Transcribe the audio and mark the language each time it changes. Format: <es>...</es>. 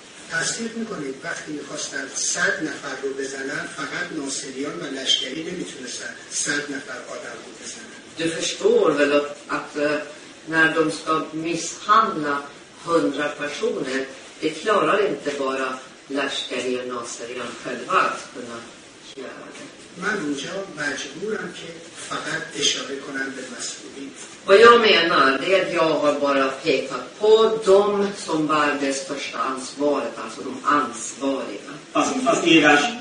<fa>تصدیق میکنید وقتی میخواستن 100 نفر رو بزنن فقط ناصریان و لشکری نمیتونستن 100 نفر آدم رو بزنن.</fa> <sv>Du förstår väl att när de ska misshandla 100 personer, det klarar inte bara لشکری و ناصریان själva att kunna göra det.</sv> <fa>من اونجا مجبورم که فقط اشاره کنم به مسئولین.</fa> <sv>و jag menar det att jag har bara pekat på de som bär det största ansvaret, alltså de ansvariga.</sv>